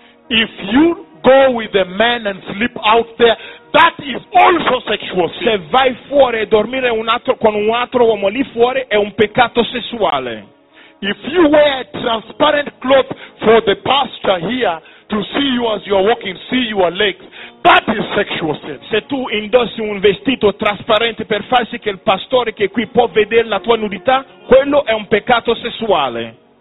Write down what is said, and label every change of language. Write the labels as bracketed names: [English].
[English] If you go with a man and sleep out there, that is also sexual sin. [Italian] Se vai fuori a dormire con un altro uomo lì fuori, è un peccato sessuale. [English] If you wear transparent clothes for the pastor here to see you as you are walking, see your legs, that is sexual sin. [Italian] Se tu indossi un vestito trasparente per far sì che il pastore che è qui può vedere la tua nudità, quello è un peccato sessuale.